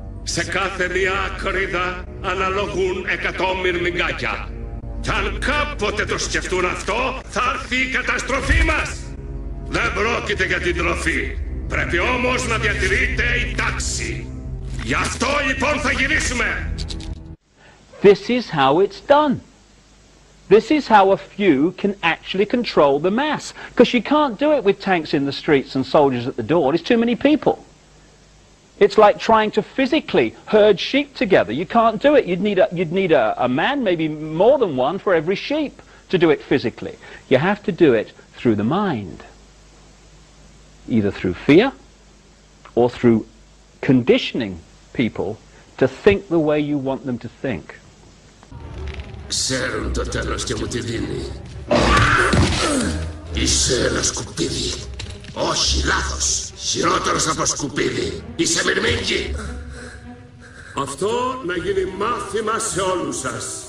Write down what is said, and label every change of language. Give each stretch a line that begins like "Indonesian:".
Greek: Σε κάθε μια ακρίδα αναλογούν 100 μυρμηγκάκια. Κι αν κάποτε το σκεφτούν αυτό, θα έρθει η καταστροφή μας. Δεν πρόκειται για την τροφή. Πρέπει όμως να διατηρείται η τάξη. Γι' αυτό λοιπόν θα γυρίσουμε.
English: This is how it's done. This is how a few can actually control the mass. Because you can't do it with tanks in the streets and soldiers at the door. It's too many people. It's like trying to physically herd sheep together. You can't do it. You'd need a man, maybe more than one, for every sheep to do it physically. You have to do it through the mind. Either through fear or through conditioning people to think the way you want them to think.
Greek: Ξέρουν το τέλος και μου τη δίνει. Είσαι ένα σκουπίδι. Όχι, λάθος. Χειρότερος από σκουπίδι. Είσαι μυρμήγκι. Αυτό να γίνει μάθημα σε όλους σας.